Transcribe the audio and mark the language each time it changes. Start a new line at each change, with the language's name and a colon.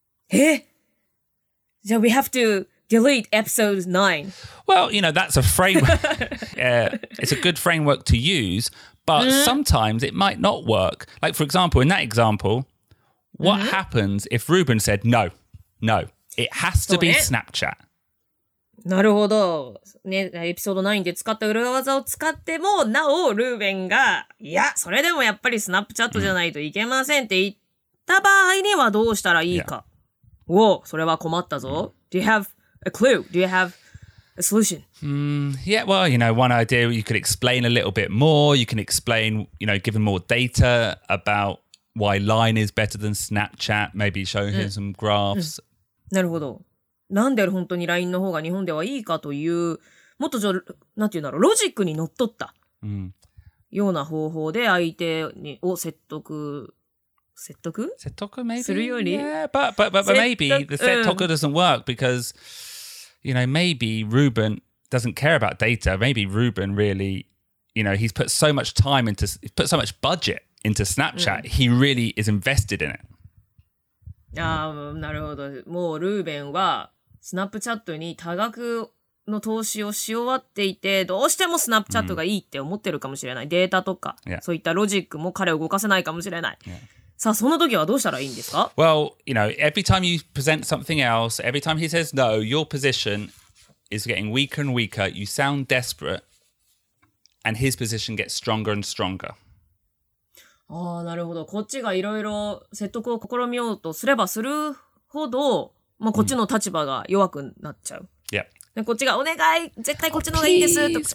English: Eh? So we have to delete episode 9. Well, you know, that's a framework. it's a good framework to use, but sometimes it might not work. Like, for example, in that example, what happens if Ruben said, no, it has to be Snapchat?
Japanese: なるほど。ね、エピソード9で使った裏技を使っても、なお、ルーベンが、いや、それでもやっぱりスナップチャットじゃないといけませんって言った場合にはどうしたらいいか。
English: Yeah.
Japanese: おお、それは困ったぞ。
English: Do you have a clue? Do you have a solution? Yeah, well, you know, one idea, you could explain a little bit more. You can explain, you know, give him more data about why Line is better than Snapchat. Maybe show him some graphs.
Japanese: なるほど。なんで本当に LINE の方が日本ではいいかという、もっとじゃ、なんて言うんだろう、ロジックに則ったような方法で相手にを説得
English: maybe?
Japanese: するより。
English: Yeah, but maybe the 説得 doesn't work because, you know, maybe Ruben doesn't care about data. Maybe Ruben really, you know, he's put so much time into, put so much budget into Snapchat. He really is invested in it.
Japanese: なるほど。もうルーベンはスナップチャットに多額の投資をし終わっていて、どうしてもスナップチャットがいいって思ってるかもしれない。データとか、そういったロジックも彼を動かせないかもしれない。さあ、そんな時はどうしたらいいんですか?
English: Well, you know, every time you present something else, every time he says no, your position is getting weaker and weaker. You sound desperate, and his position gets stronger and stronger.
Japanese: ああ、なるほど。こっちがいろいろ説得を試みようとすればするほど、まあ、こっちの立場が弱くなっちゃう。
English: Yeah.
Japanese: で、こっちが、お願い絶対こっちの方がいいですとか、